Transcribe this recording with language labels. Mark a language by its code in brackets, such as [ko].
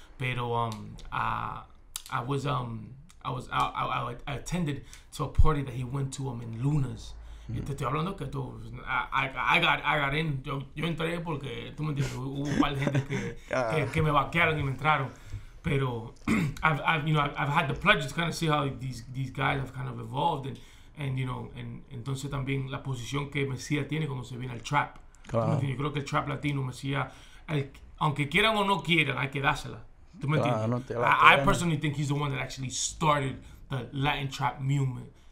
[en] Pero I attended to a party that he went to in Luna's. [es] Y te estoy hablando que tú, [en] I got in, [es] yo entré porque, tú me entiendes, hubo un par de gente que me vaquearon y me entraron. [en] Pero, I've had the pleasure to kind of see how these guys have kind of evolved. [es] And entonces también la posición que Mesías tiene cuando se viene al trap. Claro. Yo creo que el trap latino, Mesías, aunque quieran o no quieran, hay que dársela. ¿Tú me entiendes? Claro, no, [en] I personally think he's the one that actually started the Latin trap movement.